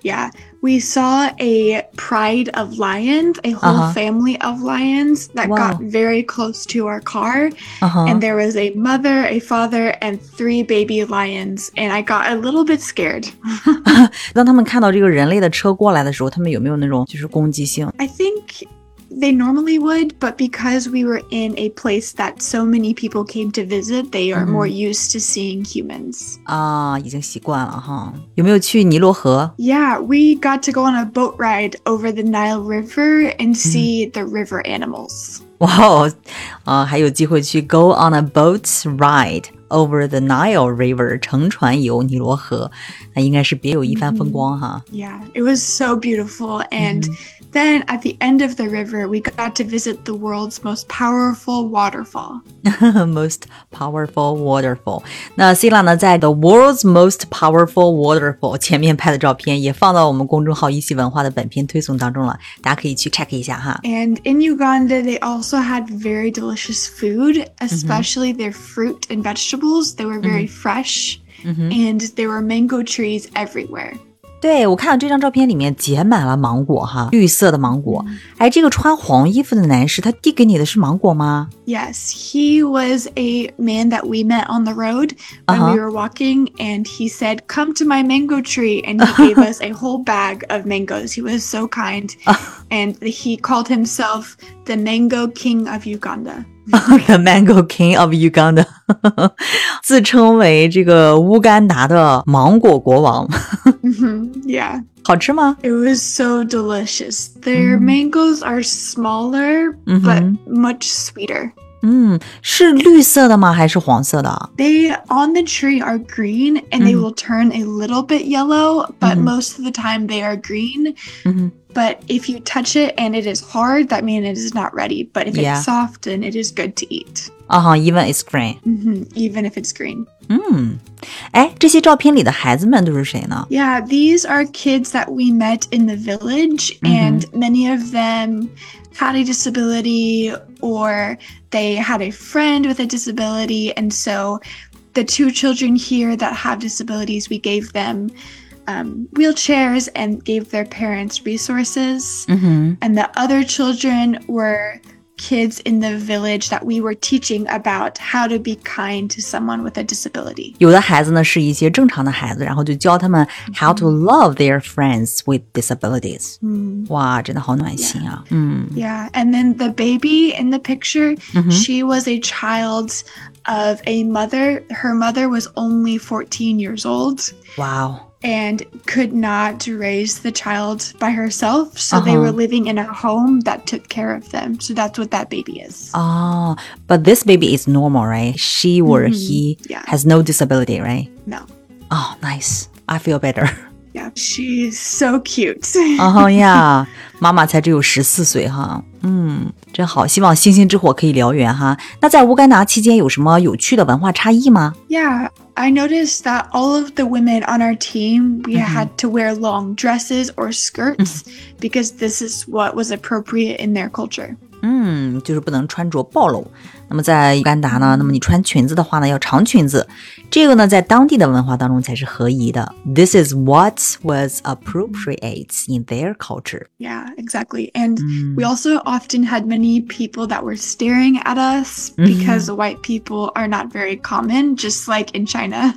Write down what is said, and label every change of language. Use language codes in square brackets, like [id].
[en] Yeah, we saw a pride of lions, a whole family of lions that got very close to our car, and there was a mother, a father, and three baby lions, and I got a little bit scared. [zh] 当他们看到这个人类的车过来的时候，他们有没有那种就是攻击性？ [en] I think they normally would, but because we were in a place that so many people came to visit, they are more used to seeing humans. [zh] 已经习惯了哈。有没有去尼罗河？ [en] Yeah, we got to go on a boat ride over the Nile River and see the river animals. Wow, [zh] 还有机会去 [en] go on a boat ride over the Nile River, [zh] 乘船游尼罗河。那应该是别有一番风光哈。 [en] Yeah, it was so beautiful and... Then at the end of the river, we got to visit the world's most powerful waterfall. Most powerful waterfall. [zh] 那 Sila 呢，在 [en] the world's most powerful waterfall [zh] 前面拍的照片也放到我们公众号一席文化的本篇推送当中了，大家可以去 check 一下哈。 [en] And in Uganda, they also had very delicious food, especially their fruit and vegetables. They were very fresh, and there were mango trees everywhere. [zh] 对，我看到这张照片里面结满了芒果哈，绿色的芒果。哎，这个穿黄衣服的男士，他递给你的是芒果吗？ [en] Yes, he was a man that we met on the road when we were walking, and he said, "Come to my mango tree," and he gave us a whole bag of mangoes. He was so kind, and he called himself the Mango King of Uganda. The Mango King of Uganda. [zh] 自称为这个乌干达的芒果国王。 [en] Yeah. [zh] 好吃吗？ [en] It was so delicious. Their mangoes are smaller, but much sweeter. [zh] 是绿色的吗？还是黄色的？ [en] They on the tree are green, and they will turn a little bit yellow, but most of the time they are green. But if you touch it and it is hard, that means it is not ready. But if it's soft, then it is good to eat. Even it's green. Even if it's green. 哎，这些照片里的孩子们都是谁呢？ Yeah, these are kids that we met in the village, and many of them had a disability, or they had a friend with a disability. And so the two children here that have disabilities, we gave them... wheelchairs and gave their parents resources. And the other children were kids in the village that we were teaching about how to be kind to someone with a disability. [zh] 有的孩子呢是一些正常的孩子，然后就教他们 [en] how to love their friends with disabilities. [zh] 哇，真的好暖心啊。 [en] Yeah, and then the baby in the picture, she was a childof a mother. Her mother was only 14 years old. Wow. And could not raise the child by herself. So they were living in a home that took care of them. So that's what that baby is. Oh, but this baby is normal, right? She or he has no disability, right? No. Oh, nice. I feel better. Yeah, she's so cute. [zh] Yeah, 妈妈才只有14岁哈。嗯，真好，希望星星之火可以燎原哈。那在乌干达期间有什么有趣的文化差异吗？ [en] Yeah, I noticed that all of the women on our team, we had to wear long dresses or skirts because this is what was appropriate in their culture. [zh] 就是不能穿着暴露。那么在乌干达呢，那么你穿裙子的话呢，要长裙子。这个呢，在当地的文化当中才是合宜的。 [en] This is what was appropriate in their culture. Yeah, exactly. And we also often had many people that were staring at us because white people are not very common, just like in China.